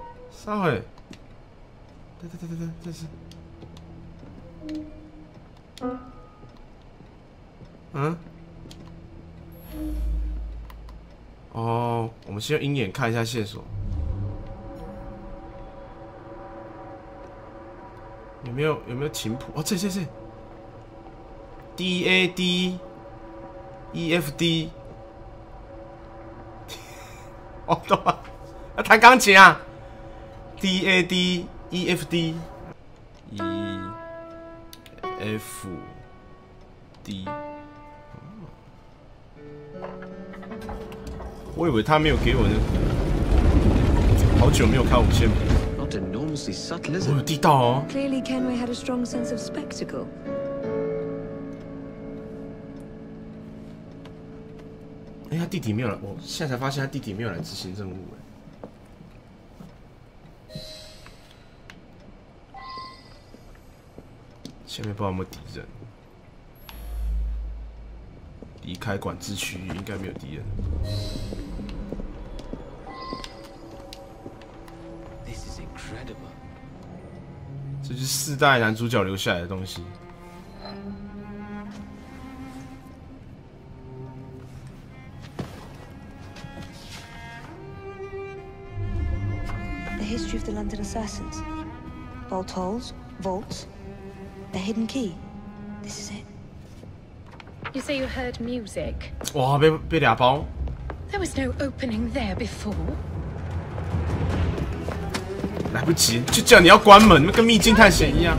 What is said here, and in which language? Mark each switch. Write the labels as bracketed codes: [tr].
[zh] 撒回，对，这是，嗯，哦，我们先用鹰眼看一下线索，有没有琴谱？哦，这 ，D A D E F D， 哦，懂了，要弹钢琴啊。 D A D E F D E F D， 我以为他没有给我的，好久没有开五线谱。 [en] Not enormously subtle, is it？ [zh] 我有地道哦。 [en] Clearly, Kenway had a strong sense of spectacle。 [zh] 哎，他弟弟没有来，我现在才发现他弟弟没有来执行任务哎。前面不知道有没有敌人，离开管制区域应该没有敌人。 [en] This is incredible。 [zh] 这是四代男主角留下来的东西。 [en] The history of the London assassins. Bolt holes, vaults. The hidden key. This is it. You say you heard music. [zh] 哇，被俩包。 [en] There was no opening there before. [zh] 来不及，就叫你要关门，跟秘境探险一样。